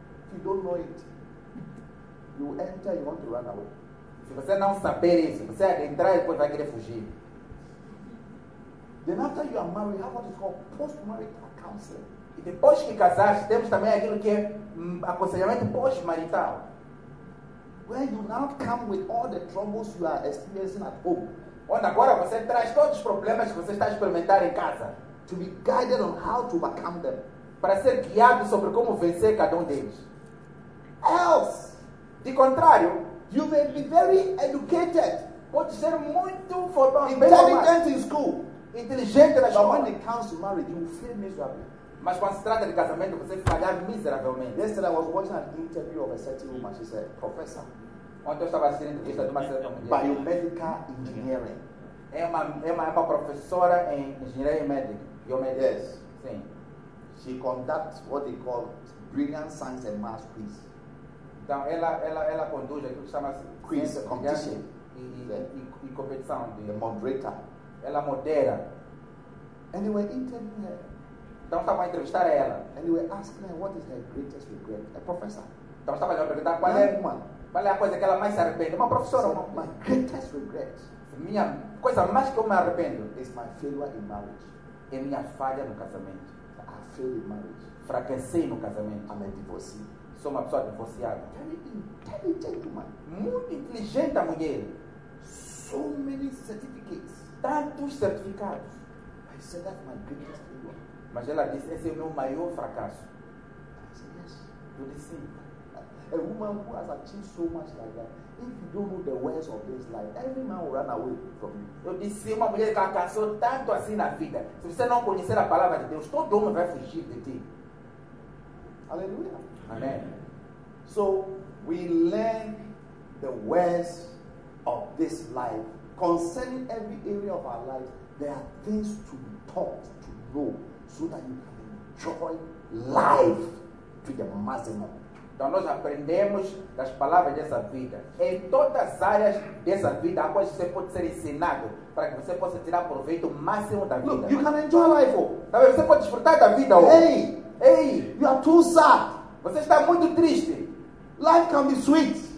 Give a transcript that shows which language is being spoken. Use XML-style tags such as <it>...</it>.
<en>If you don't know it, you enter, you want to run away.</en> <pt>Se você não saber isso, você vai entrar e depois vai querer fugir.</pt> <en>Then after you are married, you have what is called post-marital counseling.</en> <pt>E depois que casaste, temos também aquilo que é aconselhamento pós-marital.</pt> <en>Where you now come with all the troubles you are experiencing at home.</en> <pt>Onde agora você traz todos os problemas que você está experimentando em casa.</pt> <en>To be guided on how to overcome them.</en> <pt>Para ser guiado sobre como vencer cada deles.</pt> <en>Else,</en> <pt>de contrário,</pt> <en>you may be very educated.</en> <pt>Pode ser muito formal.</pt> <en>Intelligent in school.</en> <pt>Inteligente na escola.</pt> <en>But when it comes to marriage, you will fail miserably.</en> <pt>Mas quando se trata de casamento, você falhar miseravelmente.</pt> <en>Yesterday I was watching an interview of a certain woman. She's a professor.</en> <pt>Ontem eu estava assistindo a entrevista de uma certa mulher.</pt> <en>Biomedical engineering.</en> <pt>É uma professora em engenharia médica. Biomedical.</pt> <en>Yes.</en> <pt>Sim.</pt> <en>She conducts what they call brilliant science and math quiz.</en> <pt>Então ela conduz aquilo que chama-se</pt> <en>quiz competition.</en> <pt>E competição.</pt> <en>The moderator.</en> <pt>Ela modera.</pt> <en>And they were interviewing her.</en> <pt>Então estava a entrevistar a ela.</pt> <en>And they were asking her what is her greatest regret.</en> <pt>A professor. Então estava a perguntar qual é uma. Qual é a coisa que ela mais se arrepende? Uma professora.</pt> <en>So, my greatest regret.</en> <pt>Minha coisa mais que eu me arrependo.</pt> <en>Is my failure in marriage.</en> <pt>É minha falha no casamento.</pt> <en>I failed in marriage.</en> <pt>Fraquecei no casamento.</pt> <en>I'm a divorcee.</en> <pt>Sou uma pessoa divorciada.</pt> <en>Very intelligent woman.</en> <pt>Muito inteligente a mulher.</pt> <en>So many certificates.</en> <pt>Tantos certificados.</pt> <en>I said that's my greatest failure.</en> <pt>Mas ela disse, esse é o meu maior fracasso.</pt> <en>I said yes.</en> <pt>Eu disse sim.</pt> <en>A woman who has achieved so much like that, if you don't know the ways of this life, every man will run away from you.</en> <pt>Eu disse, uma mulher que alcançou tanto assim na vida, se você não conhecer a palavra de Deus, todo homem vai fugir de ti. Aleluia. Amém.</pt> <en>So, we learn the ways of this life. Concerning every area of our life, there are things to be taught, to know, so that you can enjoy life to the maximum.</en> <pt>Então nós aprendemos das palavras dessa vida. Em todas as áreas dessa vida, há coisas que você pode ser ensinado para que você possa tirar proveito máximo da vida.</pt> <en>Look, you can enjoy life, oh.</en> <pt>Também você pode desfrutar da vida, oh.</pt> <en>Hey, you are too sad.</en> <pt>Você está muito triste.</pt> <en>Life can be sweet.</en>